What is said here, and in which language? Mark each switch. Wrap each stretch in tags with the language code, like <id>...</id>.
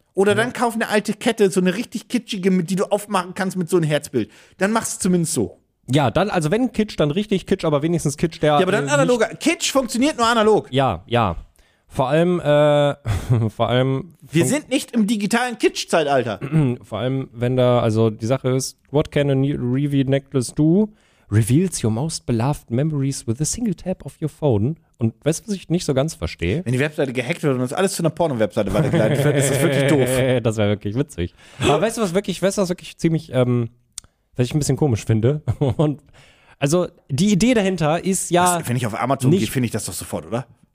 <de>Oder dann kauf eine alte Kette, so eine richtig kitschige, die du aufmachen kannst mit so einem Herzbild. Dann machst du es zumindest so. Ja, dann, also wenn Kitsch, dann richtig Kitsch, aber wenigstens Kitsch, der... Ja, aber dann analoger. Kitsch funktioniert nur analog. Ja, ja. Vor allem, Wir sind nicht im digitalen Kitsch-Zeitalter. Vor allem, wenn da, also die Sache ist,</de> <en>what can a Revi necklace do? Reveals your most beloved memories with a single tap of your phone.</en> <de>Und weißt du, was ich nicht so ganz verstehe? Wenn die Webseite gehackt wird und das alles zu einer Porno-Webseite weitergeleitet wird, ist das wirklich doof. Das wäre wirklich witzig. Aber weißt du, was wirklich ziemlich, was ich ein bisschen komisch finde? Und also die Idee dahinter ist ja... Was, wenn ich auf Amazon gehe, finde ich das doch sofort, oder?</de>